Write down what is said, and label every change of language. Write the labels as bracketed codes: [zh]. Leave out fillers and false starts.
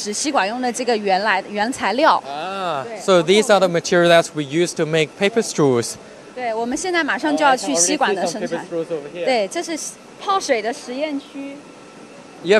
[zh] 这到处都是这些纸,对,这些是纸盘子,就是我们吸管的用的纸,吸管用的这个原材料。So [en] these are the material that we use to make paper straws. [zh] 对,我们现在马上就要去吸管的生产。对,这是泡水的实验区。Yeah,